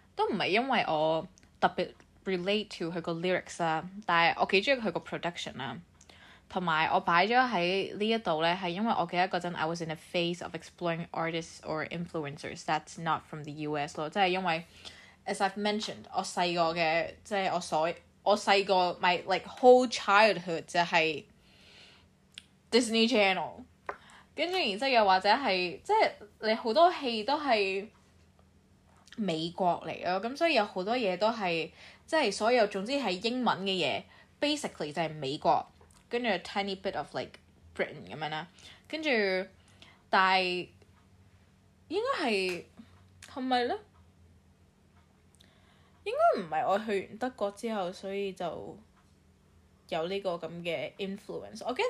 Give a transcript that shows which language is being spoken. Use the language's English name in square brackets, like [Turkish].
[Cantonese] 呢首歌咧，我擺咗喺呢度咧，係都唔係因為我特別 [English] relate to [Cantonese] 佢個 lyrics 啊，但係我幾中意佢個 production 啊。同埋我擺咗喺呢一度咧，係因為我記得嗰陣 [English] I was in a phase of exploring artists or influencers that's not from the US [Cantonese] 咯，即係因為 [English] as I've mentioned [Cantonese] 我細個嘅，即係我細個 [English] my like whole childhood [Cantonese] 就係 Disney Channel，跟住然之後又或者係即係你好多戲都係美國嚟咯，咁所以有好多嘢都係即係所有總之係英文嘅嘢 basically 就係美國。跟住 [English] a tiny bit of like Britain [Cantonese] 咁樣啦，跟住但係應該係係咪咧？應該唔係我去完德國之後，所以就有呢個咁嘅 influence。